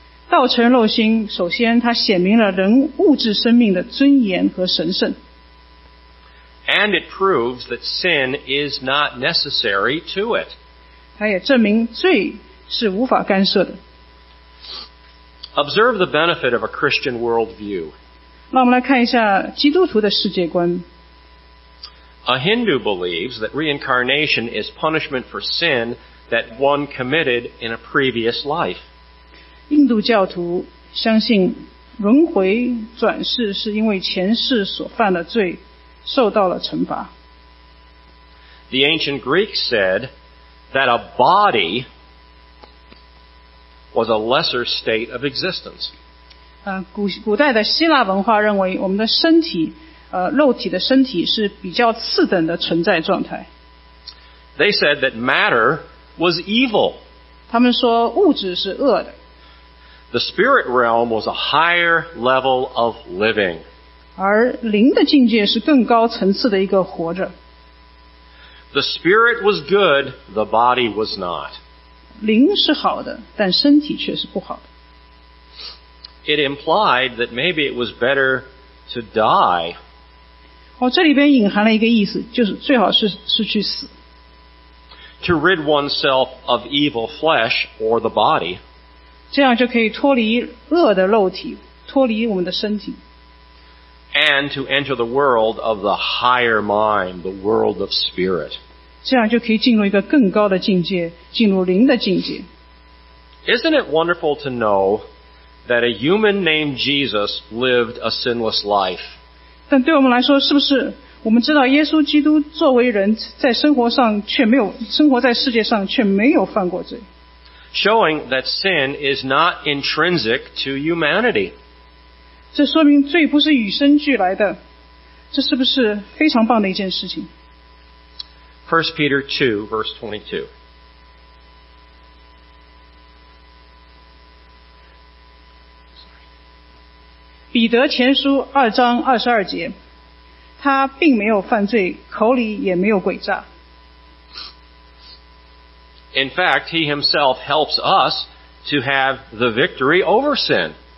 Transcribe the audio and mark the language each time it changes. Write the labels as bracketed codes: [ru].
[zh] 道成肉身首先它显明了人物质生命的尊严和神圣。 [en] And it proves that sin is not necessary to it. [zh] 它也证明罪是无法干涉的。 [en] Observe the benefit of a Christian worldview. [zh] 让我们来看一下基督徒的世界观。 [en] A Hindu believes that reincarnation is punishment for sin that one committed in a previous life. [zh] 印度教徒相信轮回转世是因为前世所犯的罪受到了惩罚。 [en] The ancient Greeks said that a body was a lesser state of existence. [zh] 古代的希腊文化认为我们的身体，肉体的身体是比较次等的存在状态。 [en] They said that matter was evil. [zh] 他们说物质是恶的。 [en] The spirit realm was a higher level of living. [zh] 而灵的境界是更高层次的一个活着。 [en] The spirit was good, the body was not. [zh] 灵是好的，但身体却是不好的。 [en] it implied that maybe it was better to die. [zh] 哦，这里边隐含了一个意思，就是最好是是去死。 [en] To rid oneself of evil flesh or the body. [zh] 这样就可以脱离恶的肉体，脱离我们的身体。 [en] And to enter the world of the higher mind, the world of spirit. [zh] 这样就可以进入一个更高的境界，进入灵的境界。 [en] Isn't it wonderful to know that a human named Jesus lived a sinless life? [zh] 但对我们来说，是不是我们知道耶稣基督作为人，在生活上却没有生活在世界上却没有犯过罪 [en] ？Showing that sin is not intrinsic to humanity. [zh] 这说明罪不是与生俱来的，这是不是非常棒的一件事情 [en] ？First Peter 2 verse 22. [zh] 彼得前书二章二十二节，他并没有犯罪，口里也没有诡诈。 [en] In fact, he himself helps us to have the victory over sin.